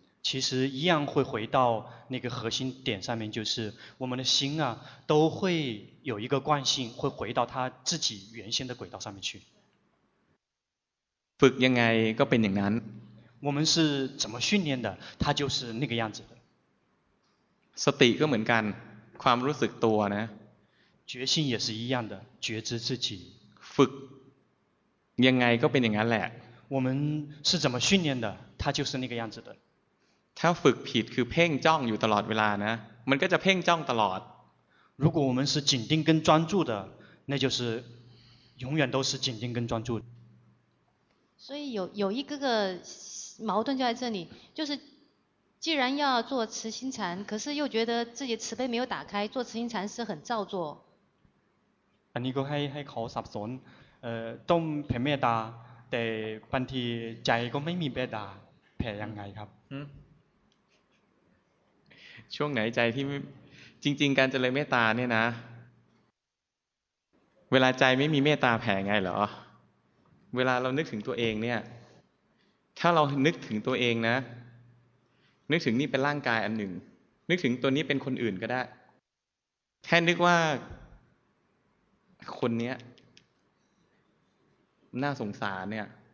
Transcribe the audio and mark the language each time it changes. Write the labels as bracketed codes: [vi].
[zh] 其实一样会回到那个核心点上面就是我们的心啊都会有一个惯性会回到它自己原先的轨道上面去 [th] ฝึกยังไงก็เป็นอย่างนั้น [zh] 我们是怎么训练的它就是那个样子的 [th] สติก็เหมือนกันความรู้สึกตัวนะ [zh] 觉性也是一样的觉知自己 [th] ฝึกยังไงก็เป็นอย่างนั้นแหละ [zh] 我们是怎么训练的它就是那个样子的 [th] ถ้าฝึกผิดคือเพ่งจ้องอยู่ตลอดเวลานะมันก็จะเพ่งจ้องตลอด [zh] 如果我们是紧盯跟专注的那就是永远都是紧盯跟专注所以 有一个矛盾就在这里就是既然要做慈心禅可是又觉得自己慈悲没有打开做慈心禅是很造作 [th] อันนี้ก็ให้เขาสับสนต้องแผ่เมตตาแต่บางทีใจก็ไม่มีเมตตาแผ่ยังไงครับ ช่วงไหนใจที่จริงๆการเจริญเมตตาเนี่ยนะเวลาใจไม่มีเมตตาแผ่ไงเหรอเวลาเรานึกถึงตัวเองเนี่ยถ้าเรานึกถึงตัวเองนะนึกถึงนี่เป็นร่างกายอันหนึ่งนึกถึงตัวนี้เป็นคนอื่นก็ได้แค่นึกว่าคนเนี้ยน่าสงสารเนี่ย